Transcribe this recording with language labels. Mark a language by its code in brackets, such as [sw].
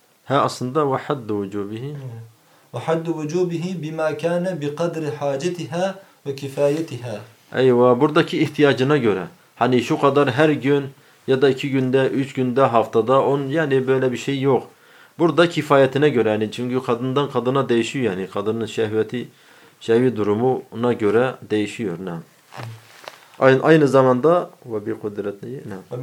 [ar] Ha, aslında وحد وجوبه. وحد وجوبه بما كان بقدر حاجتها وكفايتها. [tr] Eyvah, buradaki ihtiyacına göre. Hani şu kadar her gün ya da iki günde, üç günde, haftada on yani böyle bir şey yok. Burada kifayetine göre yani, çünkü kadından kadına değişiyor yani. Kadının şehvi durumuna göre değişiyor. Nam. Aynı zamanda [ar] ve bi kudretihi. [tr] Nam.